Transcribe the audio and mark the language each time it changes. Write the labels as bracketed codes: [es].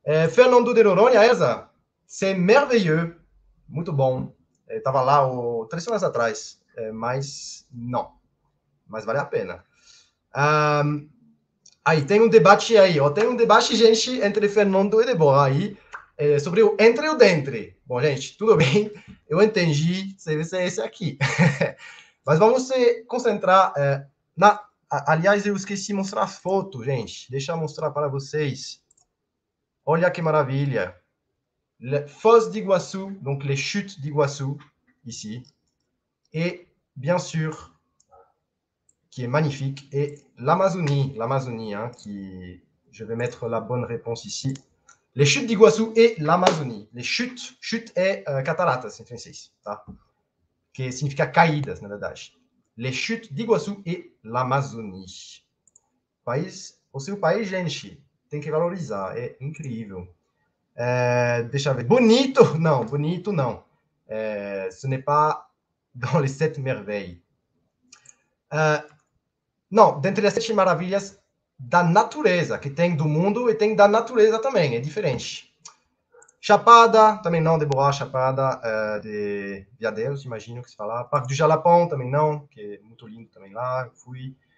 [fr] Fernando de Noronha, Elsa, c'est merveilleux. [pt] Muito bom. Estava lá 3 semanas atrás, mas não. Mas vale a pena. Aí, tem um debate aí. Ó. Tem um debate, gente, entre Fernando e Deborah aí. Sobre o entre ou dentre. Bom, gente, tudo bem. Eu entendi. Você é esse aqui. Mas vamos se concentrar. Aliás, eu esqueci de mostrar a foto, gente. Deixa eu mostrar para vocês. Olha que maravilha. [fr] Foz de Iguaçu, donc les chutes de Iguaçu, ici. E, bien sûr, qui est magnifique. Et l'Amazonie, hein, qui. Je vais mettre la bonne réponse ici. Les chutes d'Iguaçu et l'Amazonie. Les chutes, [pt] chute é cataratas em francês, tá? Que significa caídas, na verdade. [fr] Les chutes d'Iguaçu et l'Amazonie. [pt] O seu país, gente, tem que valorizar, é incrível. Deixa eu ver. Bonito não. [fr] Ce n'est pas dans les sept merveilles. [pt] Não, dentre as sete maravilhas. Da natureza, que tem do mundo e tem da natureza também, é diferente. Chapada, também não, Deborah, Chapada de Veadeiros, imagino que se fala. Parque do Jalapão, também não, que é muito lindo também lá, fui.